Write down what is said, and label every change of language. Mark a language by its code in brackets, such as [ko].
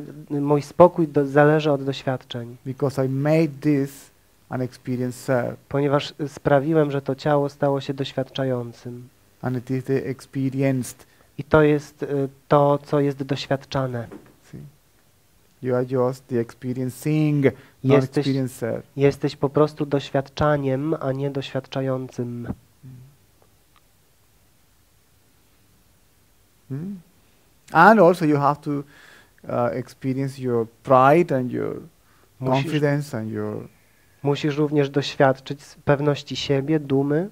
[pl] Mój spokój zależy od doświadczeń. [en] Because I made this an experience. [pl] Ponieważ sprawiłem, że to ciało stało się doświadczającym. [en] And it is the experienced. [pl] I to jest to, co jest doświadczane. [en] You are just the experiencing, not experiencer. [pl] Jesteś po prostu doświadczaniem, a nie doświadczającym. [en] And also you have to experience your pride and your confidence and your. [pl] Musisz również doświadczyć pewności siebie, dumy.